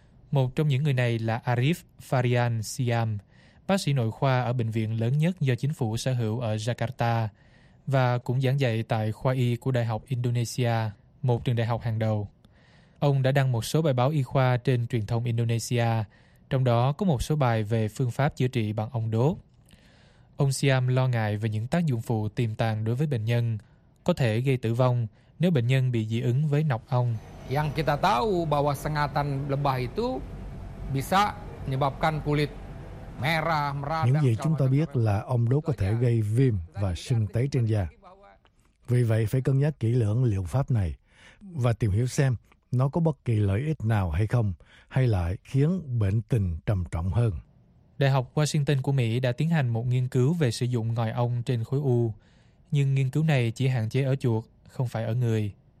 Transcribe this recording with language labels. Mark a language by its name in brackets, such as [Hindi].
[Vietnamese] Một trong những người này là Arif Farian Siam, bác sĩ nội khoa ở bệnh viện lớn nhất do chính phủ sở hữu ở Jakarta và cũng giảng dạy tại khoa y của Đại học Indonesia, một trường đại học hàng đầu. Ông đã đăng một số bài báo y khoa trên truyền thông Indonesia, trong đó có một số bài về phương pháp chữa trị bằng ong đốt. Ông Siam lo ngại về những tác dụng phụ tiềm tàng đối với bệnh nhân, có thể gây tử vong nếu bệnh nhân bị dị ứng với nọc ong. [Indonesian] Yang kita tahu bahwa sengatan lebah itu bisa menyebabkan kulit merah, merah. [Vietnamese] Những gì chúng ta biết là ong đốt có thể gây viêm và sưng tấy trên da. Vì vậy phải cân nhắc kỹ lưỡng liệu pháp này và tìm hiểu xem nó có bất kỳ lợi ích nào hay không, hay lại khiến bệnh tình trầm trọng hơn. Đại học Washington của Mỹ đã tiến hành một nghiên cứu về sử dụng ngòi ong trên khối u, nhưng nghiên cứu này chỉ hạn chế ở chuột, không phải ở người.